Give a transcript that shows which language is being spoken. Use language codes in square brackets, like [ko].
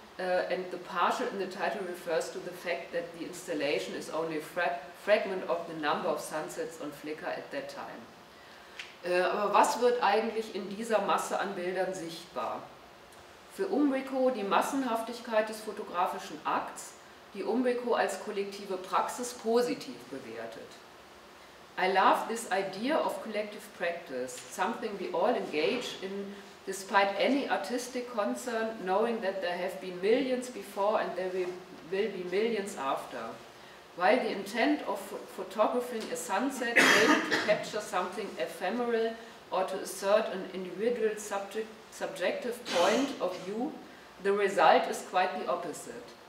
[en] And the partial in the title refers to the fact that the installation is only a fragment of the number of sunsets on Flickr at that time. [de] Aber was wird eigentlich in dieser Masse an Bildern sichtbar? Für Umbrico die Massenhaftigkeit des fotografischen Akts, die Umbrico als kollektive Praxis positiv bewertet. [en] I love this idea of collective practice, something we all engage in, despite any artistic concern, knowing that there have been millions before and there will be millions after. While the intent of photographing a sunset may be to capture something ephemeral or to assert an individual subjective point of view, the result is quite the opposite.